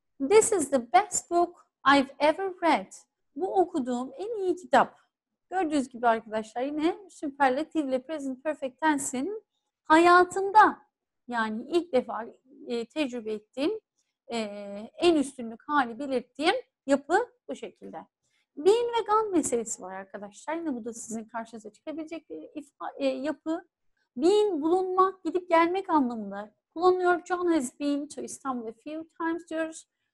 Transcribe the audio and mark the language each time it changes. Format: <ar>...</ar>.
<en>This is the best book I've ever read.</en> <tr>Bu okuduğum en iyi kitap. Gördüğünüz gibi arkadaşlar yine superlative ile present perfect tense'in hayatımda yani ilk defa tecrübe ettiğim en üstünlük hali belirttiğim yapı bu şekilde. Bean ve gun meselesi var arkadaşlar. Yine bu da sizin karşınıza çıkabilecek bir yapı. Bean bulunmak, gidip gelmek anlamında kullanılıyor.</tr> <en>John has been to Istanbul a few times</en> <tr>diyoruz.</tr>